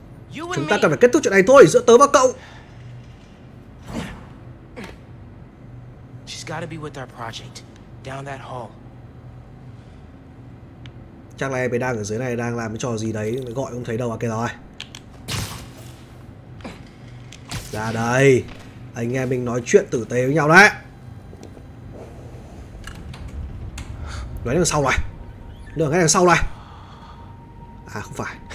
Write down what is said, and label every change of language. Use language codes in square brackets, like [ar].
[en] You and me. [vi] Chúng ta cần phải kết thúc chuyện này thôi, giữa tớ và cậu. [en] She's gotta be with our project down that hall. [vi] Chắc là em ấy đang ở dưới này đang làm cái trò gì đấy, gọi không thấy đâu à. Kìa rồi. Ra đây. Anh em mình nói chuyện tử tế với nhau đấy. Nói đằng sau này. Đường ngay đằng sau này. À không phải.